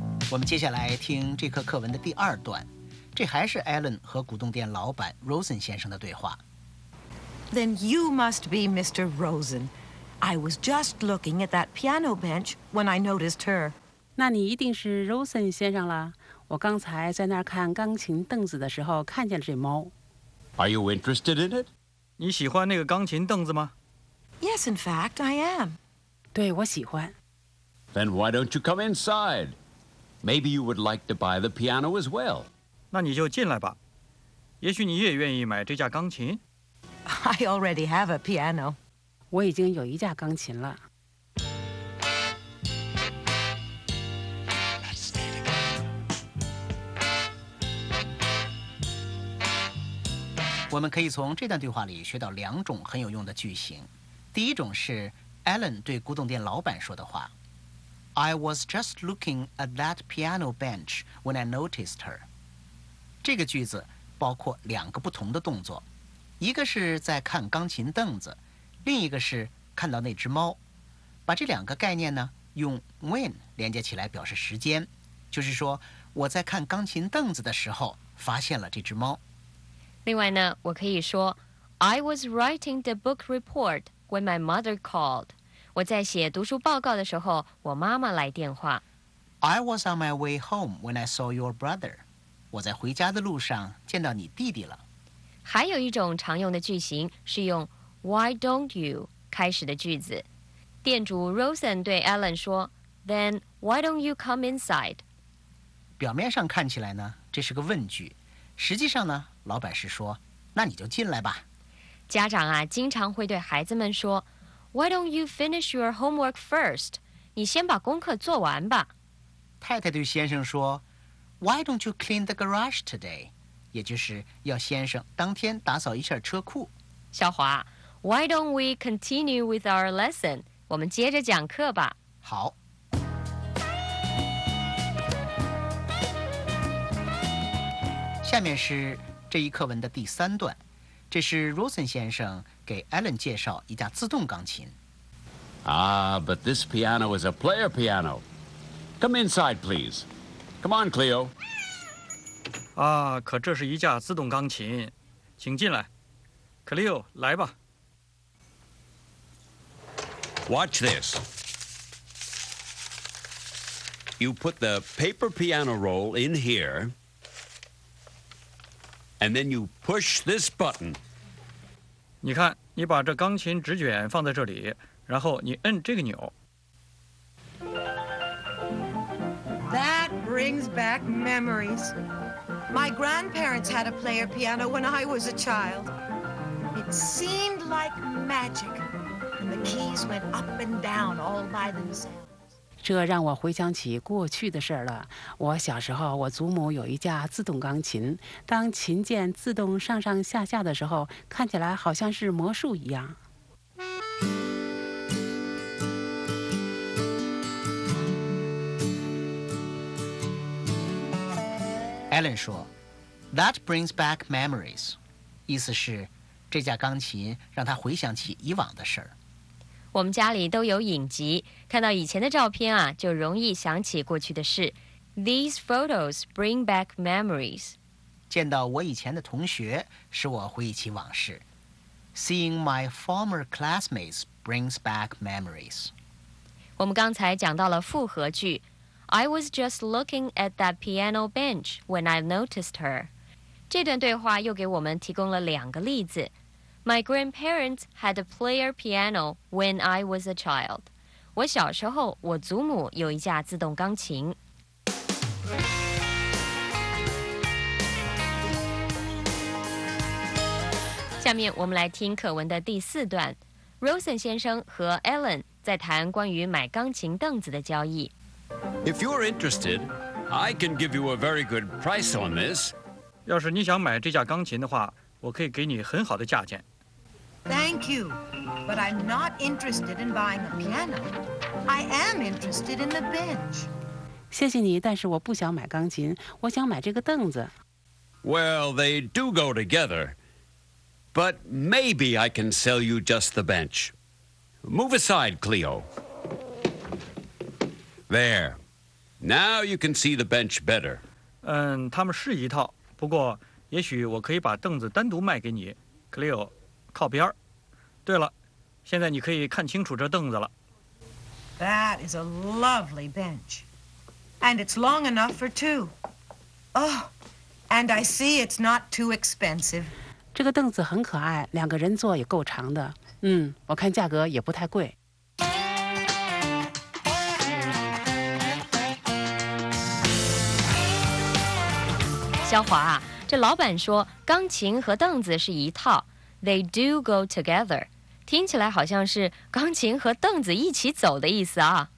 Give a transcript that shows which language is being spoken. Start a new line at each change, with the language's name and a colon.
Chinese: 我们接下来听这课课文的第二段。这还是 Alan 和古董店老板 Rosen 先生的对话。
English: Then you must be Mr. Rosen. I was just looking at that piano bench when I noticed her.
Chinese: 那你一定是 Rosen 先生了。我刚才在那儿看钢琴凳子的时候看见了这猫。
English: Are you interested in it?
Chinese: 你喜欢那个钢琴凳子吗？
English: Yes, in fact, I am.
Chinese: 对，我喜欢。
English: Then why don't you come inside? Maybe you would like to buy the piano as well.
Chinese: 那你就进来吧。也许你也愿意买这架钢琴。
English: I already have a piano.
Chinese: 我已经有一架钢琴了。我们可以从这段对话里学到两种很有用的句型。第一种是 Alan 对古董店老板说的话
English: I was just looking at that piano bench when I noticed her
Chinese: 这个句子包括两个不同的动作一个是在看钢琴凳子另一个是看到那只猫把这两个概念呢用 when 连接起来表示时间就是说我在看钢琴凳子的时候发现了这只猫另外呢我可以说
English: I was writing the book reportWhen my mother called,
Chinese: 我在写读书报告的时候，我妈妈来电话。
English: I was on my way home when I saw your brother.
Chinese: 我在回家的路上见到你弟弟了。还有一种常用的句型是用
English: Why don't you
Chinese: 开始的句子。店主 Rosen 对 Alan 说
English: Then why don't you come inside?
Chinese: 表面上看起来呢，这是个问句。实际上呢，老板是说，那你就进来吧。家长啊，经常会对孩子们说
English: Why don't you finish your homework first?
Chinese: 你先把功课做完吧。太太对先生说
English: Why don't you clean the garage today?
Chinese: 也就是要先生当天打扫一下车库。
English: 小华 Why don't we continue with our lesson?
Chinese: 我们接着讲课吧。好。下面是这一课文的第三段。这是 Rosen 先生给 Alan 介绍一架自动钢琴。
English: Ah, but this piano is a player piano. Come inside, please. Come on, Cleo.
Chinese: 啊，可这是一架自动钢琴，请进来 ，Cleo， 来吧。
English: Watch this. You put the paper piano roll in here, and then you push this button.
Chinese: 你看，你把这钢琴纸卷放在这里，然后你摁这个钮。
English: That brings back memories. My grandparents had a player piano when I was a child. It seemed like magic, and the keys went up and down all by themselves.
Chinese: 这让我回想起过去的事了。我小时候，我祖母有一架自动钢琴，当琴键自动上上下下的时候，看起来好像是魔术一样。 Alan 说 ，
English: That brings back memories，
Chinese: 意思是这架钢琴让他回想起以往的事儿。我们家里都有影集，看到以前的照片啊，就容易想起过去的事。
English: These photos bring back memories.
Chinese: 见到我以前的同学使我回忆起往事。
English: Seeing my former classmates brings back memories.
Chinese: 我们刚才讲到了复合句。
English: I was just looking at that piano bench when I noticed her.
Chinese: 这段对话又给我们提供了两个例子。
English: My grandparents had a player piano when I was a child.
Chinese: 我小时候，我祖母有一架自动钢琴。下面我们来听课文的第四段。Rosen 先生和 Alan 在谈关于买钢琴凳子的交易。
English: If you're interested, I can give you a very good price on this.
Chinese: 要是你想买这架钢琴的话，我可以给你很好的价钱。
English: Thank you, but I'm not interested in buying a piano. I am interested in the bench.
Chinese: 谢谢你，但是我不想买钢琴，我想买这个凳子。
English: Well, they do go together, but maybe I can sell you just the bench. Move aside, Cleo. There. Now you can see the bench better.
Chinese: 嗯，他们是一套，不过也许我可以把凳子单独卖给你 Cleo， 靠边。对了，现在你可以看清楚这凳子了。
English: That is a lovely bench. And it's long enough for two. Oh, and I see it's not too expensive.
Chinese: 这个凳子很可爱，两个人坐也够长的。嗯，我看价格也不太贵。小华啊，这老板说钢琴和凳子是一套 ，
English: they do go together，
Chinese: 听起来好像是钢琴和凳子一起走的意思啊。